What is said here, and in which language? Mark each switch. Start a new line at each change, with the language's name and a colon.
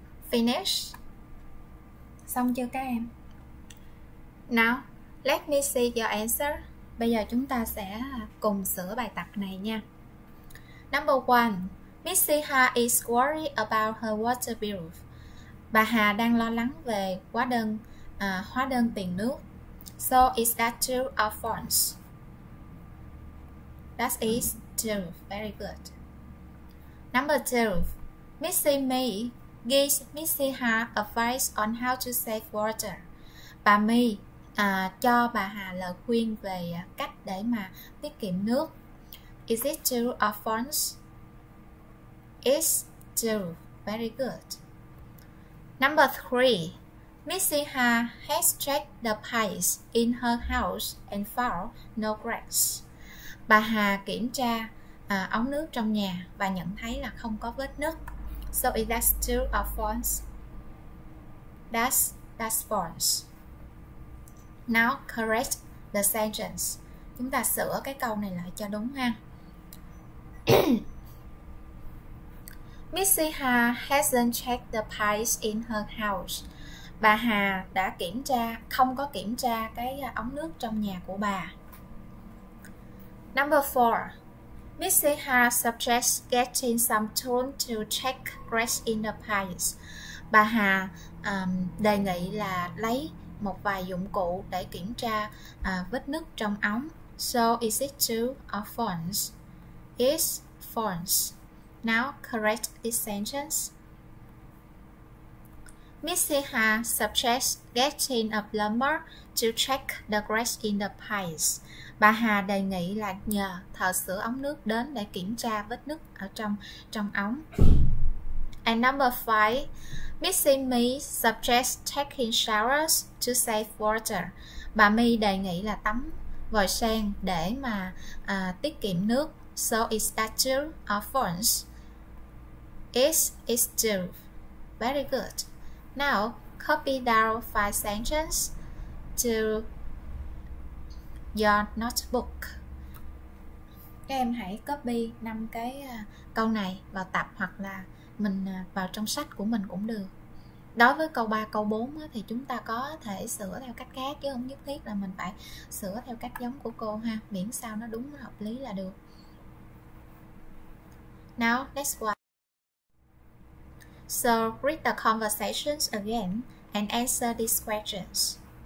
English: Finish.
Vietnamese: Xong chưa các em?
English: Now, let me see your answer.
Vietnamese: Bây giờ chúng ta sẽ cùng sửa bài tập này nha.
English: Number 1. Missy Ha is worried about her water bill.
Vietnamese: Bà Hà đang lo lắng về hóa đơn tiền nước.
English: So is that true or false? That is true. Very good. Number 2. Missy May gives Missy Ha advice on how to save water.
Vietnamese: Bà My cho bà Hà lời khuyên về cách để mà tiết kiệm nước.
English: Is it true or false? It's true. Very good. Number 3. Missy Ha has checked the pipes in her house and found no cracks.
Vietnamese: Bà Hà kiểm tra ống nước trong nhà và nhận thấy là không có vết nứt.
English: So is that true or false? That's false. Now correct the sentence.
Vietnamese: Chúng ta sửa cái câu này lại cho đúng ha.
English: Missy Ha hasn't checked the pipes in her house.
Vietnamese: Bà Hà đã kiểm tra, không có kiểm tra cái ống nước trong nhà của bà.
English: Number 4. Missy Ha suggests getting some tools to check cracks in the pipes.
Vietnamese: Bà Hà đề nghị là lấy một vài dụng cụ để kiểm tra vết nứt trong ống.
English: So is it true or false? It's false. Now correct this sentence. Missy Ha suggests getting a plumber to check the cracks in the pipes.
Vietnamese: Bà Hà đề nghị là nhờ thợ sửa ống nước đến để kiểm tra vết nứt ở trong ống.
English: And number 5, Missing Me suggests taking showers to save water.
Vietnamese: Bà My đề nghị là tắm vòi sen để mà tiết kiệm nước.
English: So is that true or false? Yes, it's true. Very good. Now, copy down 5 sentences to your notebook.
Vietnamese: Các em hãy copy 5 cái câu này vào tập hoặc là mình vào trong sách của mình cũng được. Đối với câu 3, câu 4 thì chúng ta có thể sửa theo cách khác chứ không nhất thiết là mình phải sửa theo cách giống của cô ha. Miễn sao nó đúng, nó hợp lý là được.
English: Now, next one. So, read the conversations again and answer these questions.